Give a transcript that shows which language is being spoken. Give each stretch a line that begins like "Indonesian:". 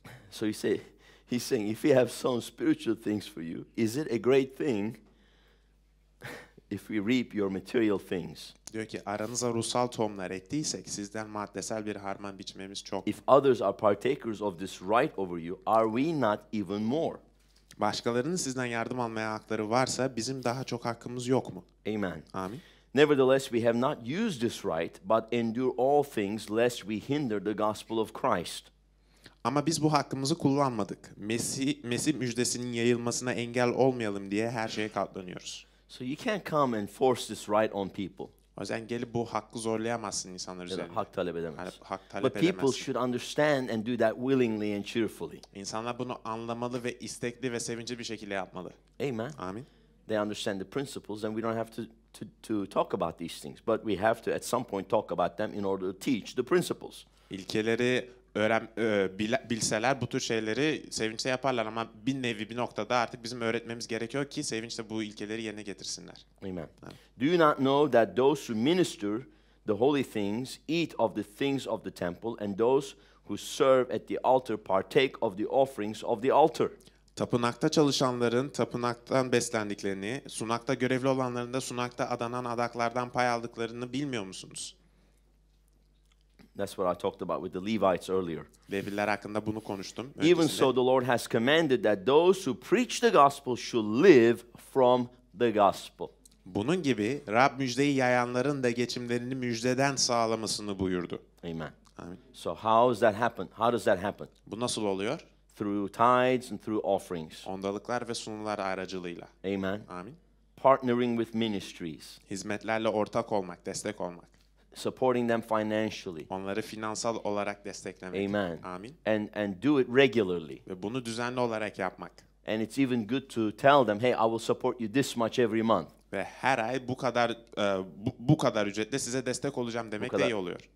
English: So you say, he's saying, if he has sown spiritual things for you, is it a great thing if we reap your material things?
Turkish: Diyor ki, aranıza ruhsal tohumlar ektiysek, sizden maddesel bir harman biçmemiz çok.
English: If others are partakers of this right over you, are we not even more?
Turkish: Başkalarının sizden yardım almaya hakları varsa, bizim daha çok hakkımız yok mu?
English: Amen.
Turkish: Amin.
English: Nevertheless, we have not used this right, but endure all things, lest we hinder the gospel of Christ.
Turkish: Ama biz bu hakkımızı kullanmadık. Mesih müjdesinin yayılmasına engel olmayalım diye her şeye katlanıyoruz.
English: So you can't come and force this right on people.
Turkish: O yüzden gelip bu hakkı zorlayamazsın insanlar üzerine. Hak talep edemezsin. Hak talep edemezsin.
English: But people should understand and do that willingly and cheerfully.
Turkish: İnsanlar bunu anlamalı ve istekli ve sevinçli bir şekilde yapmalı.
English: Amen.
Turkish: Amin.
English: They understand the principles and we don't have to talk about these things, but we have to at some point talk about them in order to teach the principles.
Turkish: İlkeleri bilseler bu tür şeyleri sevinçle yaparlar ama bir nevi bir noktada artık bizim öğretmemiz gerekiyor ki sevinçle bu ilkeleri yerine getirsinler.
English: Amen. Amen. Do you not know that those who minister the holy things eat of the things of the temple and those who serve at the altar partake of the offerings of the altar?
Turkish: Tapınakta çalışanların tapınaktan beslendiklerini, sunakta görevli olanların da sunakta adanan adaklardan pay aldıklarını bilmiyor musunuz?
English: That's what I talked about with the Levites earlier.
Turkish: Leviler hakkında bunu konuştum.
English: Even so, the Lord has commanded that those who preach the gospel should live from the gospel.
Turkish: Bunun gibi Rab müjdeyi yayanların da geçimlerini müjdeden sağlamasını buyurdu.
English: Amen.
Turkish: Amin.
English: So how does that happen? How does that happen?
Turkish: Bu nasıl oluyor?
English: Through tithes and through offerings.
Turkish: Ondalıklar ve sunumlar aracılığıyla.
English: Amen.
Turkish: Amin.
English: Partnering with ministries.
Turkish: Hizmetlerle ortak olmak, destek olmak.
English: Supporting them financially.
Turkish: Onları finansal olarak desteklemek.
English: Amen.
Turkish: Amin.
English: And do it regularly.
Turkish: Ve bunu düzenli olarak yapmak.
English: And it's even good to tell them, hey, I will support you this much every month.
Turkish: Ve her ay bu kadar ücretle size destek olacağım demek kadar, de iyi oluyor.